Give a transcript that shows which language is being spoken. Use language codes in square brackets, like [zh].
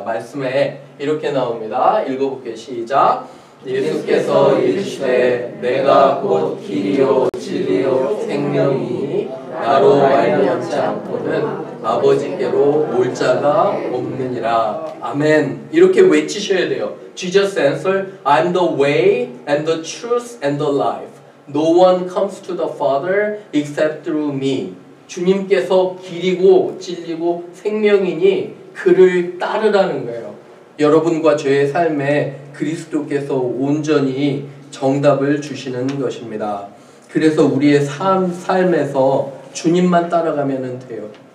[ko] 말씀에 이렇게 나옵니다. 읽어볼게요. 시작! 예수께서 이르시되 내가 곧 길이요 진리요 생명이니 나로 말미암지 않고는 아버지께로 올 자가 없느니라. 아멘. 이렇게 외치셔야 돼요. [en] Jesus answered, I'm the way and the truth and the life. No one comes to the Father except through me. [ko] 주님께서 길이고 진리고 생명이니 그를 따르라는 거예요. 여러분과 저의 삶에 그리스도께서 온전히 정답을 주시는 것입니다. 그래서 우리의 삶에서 주님만 따라가면 돼요.